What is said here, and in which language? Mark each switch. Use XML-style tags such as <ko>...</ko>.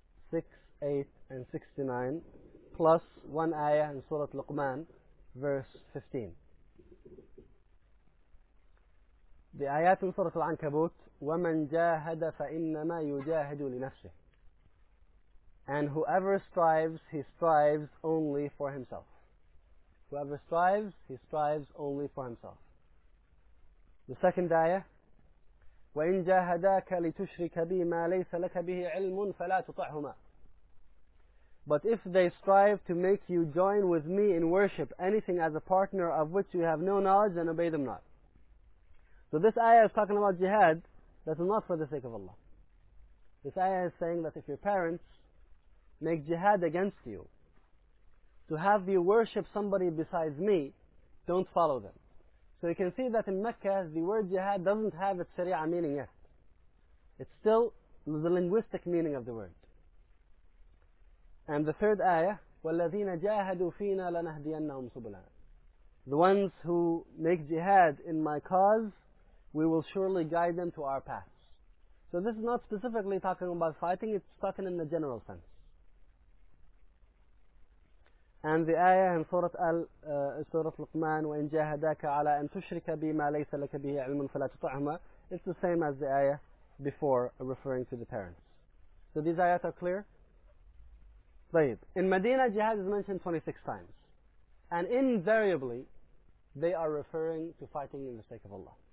<en>6, 8, and 69. Plus one ayah in Surah Luqman, verse 15. The ayat in Surah Al-Ankabut,</en> <ar>وَمَنْ جَاهَدَ فَإِنَّمَا يُجَاهَدُ لِنَفْسِهِ.</ar> <en>And whoever strives, he strives only for himself. Whoever strives, he strives only for himself. The second ayah,</en> <ar>وَإِنْ جَاهَدَاكَ لِتُشْرِكَ بِي مَا لَيْسَ لَكَ بِهِ عِلْمٌ فَلَا تُطَعْهُمَا.</ar> <en>But if they strive to make you join with me in worship anything as a partner of which you have no knowledge, then obey them not. So this ayah is talking about jihad that is not for the sake of Allah. This ayah is saying that if your parents make jihad against you to have you worship somebody besides me, don't follow them. So you can see that in Mecca, the word jihad doesn't have its sharia meaning yet. It's still the linguistic meaning of the word. And the third ayah,</en> <ar>وَالَّذِينَ جَاهَدُوا فِينَا لَنَهْدِيَنَّهُمْ سُبُلًا.</ar> <en>The ones who make jihad in my cause, we will surely guide them to our paths. So this is not specifically talking about fighting, it's talking in the general sense. And the ayah in Surah Luqman,</en> <ar>وَإِنْ جَاهَدَاكَ عَلَىٰ أَنْ تُشْرِكَ بِمَا لَيْسَ لَكَ بِهِ عِلْمٌ فَلَا تُطَعْهُمَا.</ar> <en>It's the same as the ayah before, referring to the parents. So these ayahs are clear. In Medina, jihad is mentioned 26 times. And invariably, they are referring to fighting in the sake of Allah.</en>